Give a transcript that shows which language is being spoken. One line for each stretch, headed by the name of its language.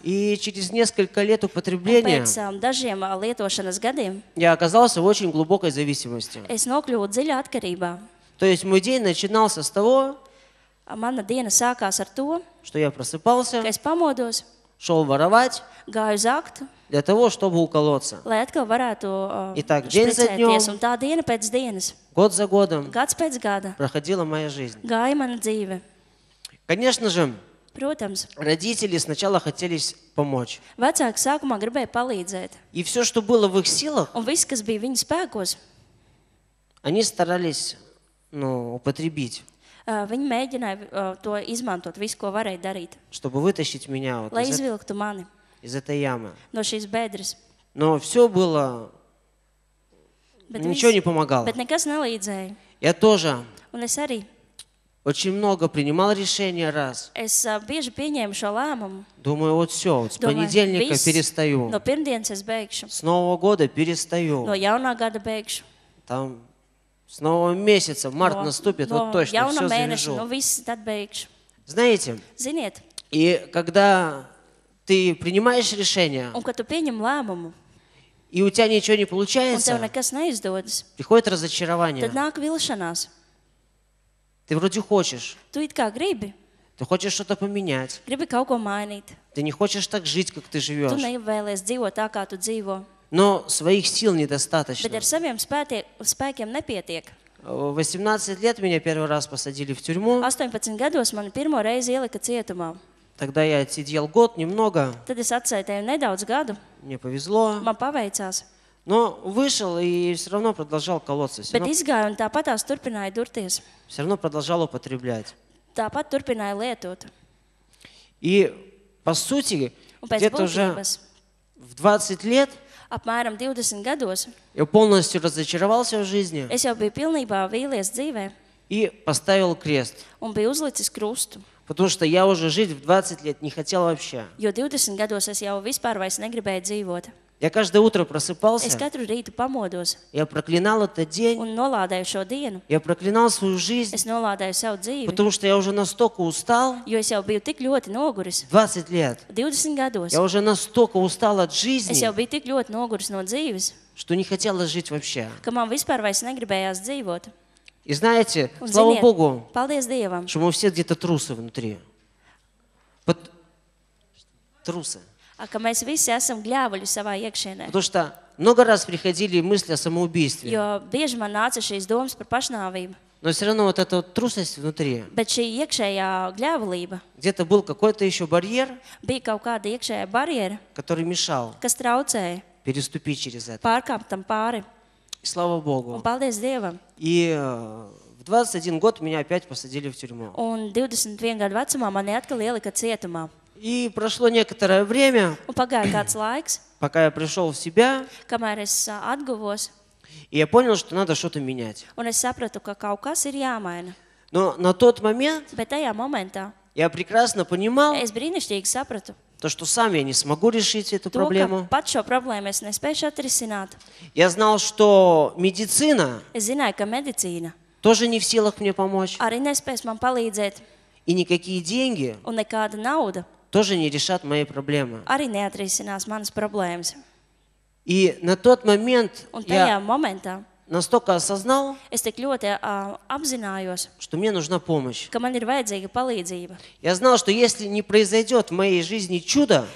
Russian: И через несколько лет употребления.
Latvian: Pēc dažiem lietošanas gadiem.
Russian: Я оказался в очень глубокой зависимости.
Latvian: Es nokļuvu dziļā atkarībā.
Russian: То есть мой день начинался с того.
Latvian: Mana diena sākās ar to.
Russian: Что я просыпался.
Latvian: Ka es pamodos.
Russian: Шел воровать.
Latvian: Gāju zakt.
Russian: Для того, чтобы уколоться.
Latvian: Lai atkal varētu
Russian: Итак, день за днём,
Latvian: un tā diena pēc dienas.
Russian: Год за годом.
Latvian: Gads pēc gada.
Russian: Проходила моя жизнь.
Latvian: Gāja mana dzīve.
Russian: Конечно же.
Latvian: Protams.
Russian: Родители сначала хотели помочь.
Latvian: Vecāki sākumā gribēja palīdzēt.
Russian: И всё, что было в их силах.
Latvian: Un viss, kas bija viņu spēkos.
Russian: Они старались, ну, употребить.
Latvian: Viņi mēģināja to izmantot, visu, ko varēja darīt.
Russian: Чтобы вытащить меня вот.
Latvian: Lai izvilktu mani.
Russian: Из этой ямы.
Latvian: No šīs bedres.
Russian: Но всё было. Ничего не помогало.
Latvian: Bet nekas nelīdzēja.
Russian: Я тоже.
Latvian: Un es arī.
Russian: Очень много принимал решения раз.
Latvian: Es bieži pieņēmu šo lēmumu.
Russian: Думаю, вот всё, с понедельника перестаю.
Latvian: No pirmdienas es beigšu.
Russian: С Нового года перестаю.
Latvian: No jaunā gada beigšu.
Russian: Там с Нового месяца, март наступит, вот точно всё завяжу.
Latvian: No viss tad beigšu.
Russian: Знаете?
Latvian: Ziniet?
Russian: И когда ты принимаешь решение,
Latvian: un kad tu pieņem lēmumu,
Russian: и у тебя ничего не получается,
Latvian: un tev nekas neizdodas,
Russian: приходит разочарование,
Latvian: tad nāk vilšanās,
Russian: Ты вроде хочешь.
Latvian: Tu it kā gribi.
Russian: Ты хочешь что-то поменять.
Latvian: Gribi kaut ko mainīt.
Russian: Ты не хочешь так жить, как ты живешь.
Latvian: Tu nevēlies dzīvot tā, kā tu dzīvo.
Russian: Но своих сил недостаточно.
Latvian: Bet ar saviem spēkiem nepietiek.
Russian: 18 лет меня первый раз посадили в тюрьму.
Latvian: 18 gados man pirmo reizi ielika cietumā.
Russian: Тогда я отсидел год немного.
Latvian: Tad es atsēdēju nedaudz gadu.
Russian: Мне повезло.
Latvian: Man paveicās.
Russian: Но вышел и все равно продолжал колоться.
Latvian: Bet izgāju un tāpatās turpināju durties.
Russian: Все равно продолжал употреблять.
Latvian: Tāpat turpināju lietot.
Russian: И по сути, где-то уже в 20 лет
Latvian: apmēram 20 gados.
Russian: Я полностью разочаровался в жизни.
Latvian: Es jau biju pilnībā vīlies dzīvē.
Russian: И поставил крест.
Latvian: Un biju uzlicis krustu.
Russian: Потому что я уже жить в 20 лет не хотел вообще.
Latvian: Jo 20 gados es jau vispār vairs negribēju dzīvot.
Russian: Я каждое утро просыпался.
Latvian: Es katru rītu pamodos.
Russian: Я проклинал этот день.
Latvian: Un nolādēju šo dienu.
Russian: Я проклинал свою жизнь.
Latvian: Es nolādēju savu dzīvi.
Russian: Потому что я уже настолько устал.
Latvian: Jo es jau biju tik ļoti noguris.
Russian: 20 лет.
Latvian: 20 gados.
Russian: Я уже настолько устал от жизни.
Latvian: Es jau biju tik ļoti noguris no dzīves.
Russian: Что не хотелось жить вообще.
Latvian: Ka man vispār vairs negribējās dzīvot.
Russian: И знаете, слава Богу,
Latvian: paldies Dievam,
Russian: что мы все где-то трусы внутри. Трусы.
Latvian: А ka mēs visi esam gļēvuļi savā iekšēnē.
Russian: Потому что много раз приходили мысли о самоубийстве.
Latvian: Jo bieži man nāca šīs domas par pašnāvību.
Russian: Но все равно вот эта трусость внутри.
Latvian: Bet šī iekšējā gļēvulība.
Russian: Где-то был какой-то еще барьер.
Latvian: Bija kaut kāda iekšējā barjera.
Russian: Который мешал.
Latvian: Kas traucēja.
Russian: Переступить через это.
Latvian: Pārkāpt tam pāri.
Russian: Слава Богу.
Latvian: Un paldies Dievam.
Russian: И в 21 год меня опять посадили в тюрьму.
Latvian: Un 21 gadu vecumā mani atkal ielika cietumā.
Russian: И прошло некоторое время.
Latvian: Un pagāja kāds laiks.
Russian: Пока я пришел в себя.
Latvian: Kamēr es atguvos.
Russian: И я понял, что надо что-то менять.
Latvian: Un es sapratu, ka kaut kas ir jāmaina.
Russian: Но на тот момент.
Latvian: Bet tajā momentā.
Russian: Я прекрасно понимал.
Latvian: Es brīnišķīgi sapratu.
Russian: То, что сам я не смогу решить эту то, проблему.
Latvian: Pat šo problēmu es nespēšu atrisināt.
Russian: Я знал, что медицина.
Latvian: Es zināju, ka medicīna.
Russian: Тоже не в силах мне помочь.
Latvian: Arī nespēs man palīdzēt.
Russian: И никакие деньги.
Latvian: Un nekāda nauda.
Russian: Тоже не решат мои проблемы.
Latvian: Arī neatrisinās manas problēmas.
Russian: И на тот момент
Latvian: un tajā я momentā,
Russian: настолько осознал,
Latvian: es tik ļoti apzinājos,
Russian: что мне нужна помощь.
Latvian: Ka man ir vajadzīga palīdzība.
Russian: Я знал, что если не произойдет в моей жизни чудо,